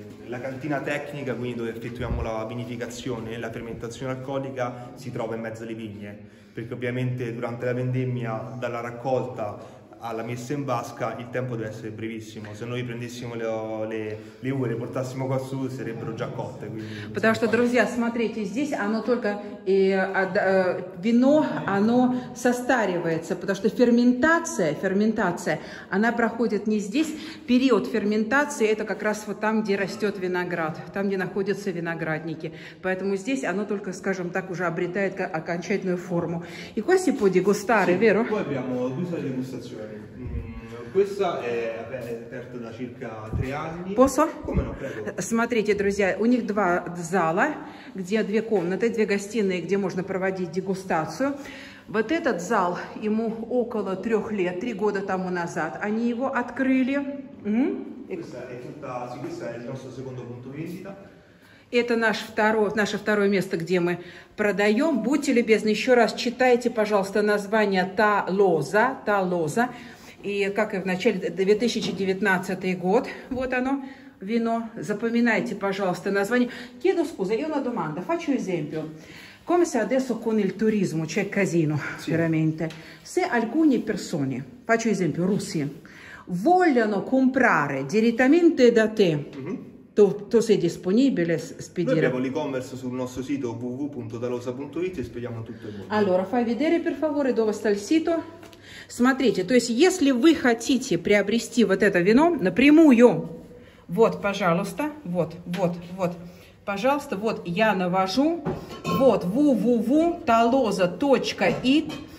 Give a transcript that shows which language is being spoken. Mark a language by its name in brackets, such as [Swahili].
[Italian] La cantina tecnica, quindi dove effettuiamo la vinificazione e la fermentazione alcolica, si trova in mezzo alle vigne, perché ovviamente durante la vendemmia, dalla raccolta alla messa in vasca, il tempo deve essere brevissimo. Se noi prendessimo le uve, le portassimo qua su, sarebbero già cotte. [Russian] Потому что, друзья, смотрите, здесь оно только вино, оно состаривается, потому что ферментация, она проходит не здесь. Период ферментации это как раз вот там, где растет виноград, там, где находятся виноградники. Поэтому здесь оно только, скажем так, уже обретает окончательную форму. И [Italian] qua si può degustare, vero? Poi abbiamo due sale di degustazione. Questa è aperta da circa 3 anni. Posso? Come no, prego. [Russian] Смотрите, друзья, у них два зала, где две комнаты, две гостиные, где можно проводить дегустацию. Вот этот зал, ему около 3 лет, 3 года тому назад, они его открыли. [Italian] Questa è il nostro secondo punto visita. [Russian] Это наше второе место, где мы продаем. Будьте любезны, еще раз читайте, пожалуйста, название Та Лоза. И как и в начале, 2019 год, вот оно, вино. Запоминайте, пожалуйста, название. [Italian] Chiedo scusa, io una domanda, faccio esempio. Come se adesso con il turismo c'è casino, veramente. Se alcune persone, faccio esempio, russi, vogliono comprare direttamente da te, Tu sei disponibile a spedire? Noi abbiamo l'e-commerce sul nostro sito www.talosa.it e spediamo tutto il mondo. Allora, fai vedere per favore dove sta il sito. [Russian] Смотрите, то есть если вы хотите приобрести вот это вино напрямую, вот, пожалуйста, вот, пожалуйста, вот я навожу, вот, www.talosa.it.